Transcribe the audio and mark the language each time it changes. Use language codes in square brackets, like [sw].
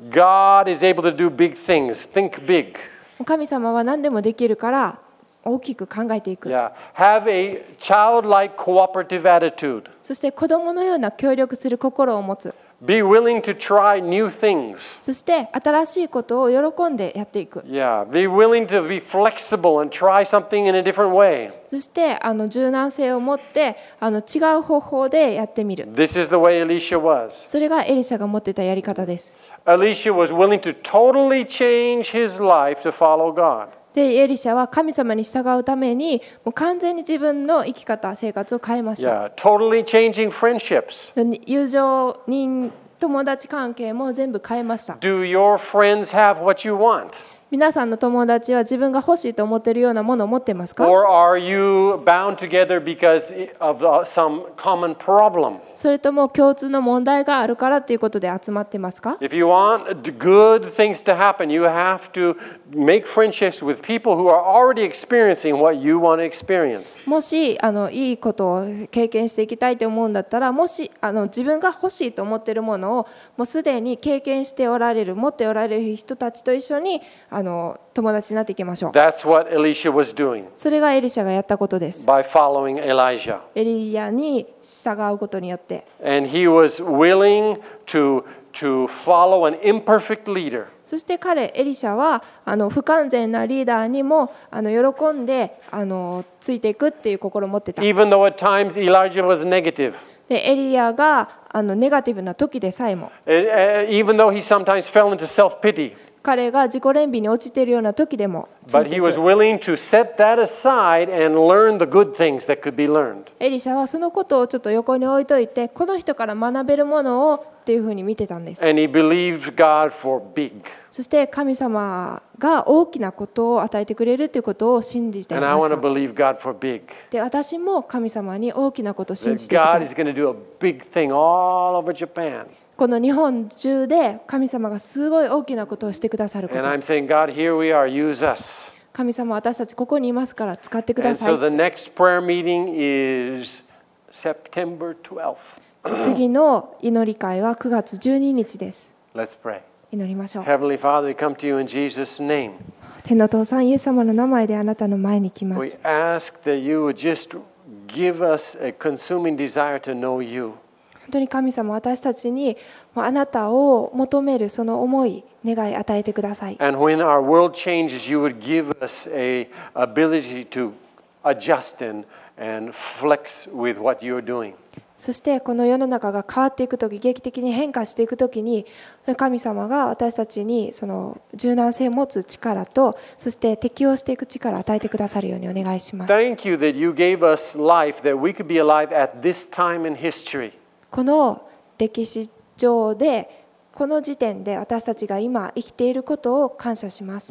[en] God is able to do big things. Think big. [ja] 神様は何でもできるから大きく考えていく。 [en] Yeah. Have a childlike cooperative attitude. [ja] そして子供のような協力する心を持つ。 [en] Be willing to try new things. [ja] そして新しいことを喜んでやっていく。 [en] Yeah, be willing to be flexible and try something in a different way. [ja] そして柔軟性を持って違う方法でやってみる。 [en] This is the way Elisha was. [ja] それがエリシャが持ってたやり方です。 [en] Elisha was willing to totally change his life to follow God. [ja] でエリシャは神様に従うためにもう完全に自分の生き方生活を変えました。 [en] Yeah, totally changing friendships. [ja] 友情人友達関係も全部変えました。 [en] Do your friends have what you want? [ja] 皆さんの友達は自分が欲しいと思っているようなものを持ってますか？ [en] Or are you bound together because of some common problem? [ja] それとも共通の問題があるからということで集まってますか？ [en] If you want good things to happen, you have to make friendships with people who are already experiencing what you want to experience. [ja] もしいいことを経験していきたいと思うんだったら、もし自分が欲しいと思っているものをもうすでに経験しておられる、持っておられる人たちと一緒に友達になっていきましょう。 [en] That's what Elisha was doing. [ja] それがエリシャがやったことです。 [en] By following Elijah. [ja] エリアに従うことによって。 [en] And he was willing to follow an imperfect leader. [ja] そして彼エリシャは不完全なリーダーにも喜んでついていくっていう心を持ってた。 [en] Even though at times Elijah was negative. [ja] でエリアがネガティブな時でさえも。 [en] Even though he sometimes fell into self-pity. [ja] 彼が自己憐憫に落ちているような時でも、 [en] But he was willing to set that aside and learn the good things that could be learned. [ja] エリシャはそのことをちょっと横に置いといて、この人から学べるものをっていうふうに見てたんです。 [en] And he believed God for big. [ja] そして神様が大きなことを与えてくれるということを信じていました。 [en] And I want to believe God for big. [ja] で私も神様に大きなことを信じていた。 [en] God is going to do a big thing all over Japan. [ja] この日本中で神様がすごい大きなことをしてくださること。 [en] And I'm saying, God, here we are. Use us. [ja] 神様、私たちここにいますから使ってください。 [en] And so the next prayer meeting is September 12th. [ja] 次の祈り会は9月12日です。 [en] Let's pray. [ja] 祈りましょう。 [en] Heavenly Father, we come to you in Jesus' name. [ja] 天の父さん、イエス様の名前であなたの前に来ます。 [en] We ask that you would just give us a consuming desire to know you. [ja] 本当に神様、私たちにあなたを求めるその思い、願い与えてください。 [en] And when our world changes, you would give us a ability to adjust and flex with what you're doing. [ja] そしてこの世の中が変わっていくとき、劇的に変化していくときに、神様が私たちにその柔軟性を持つ力と、そして適応していく力を与えてくださるようにお願いします。 [en] Thank you that you gave us life that we could be alive at this time in history. [ja] この歴史上でこの時点で私たちが今生きていることを感謝します。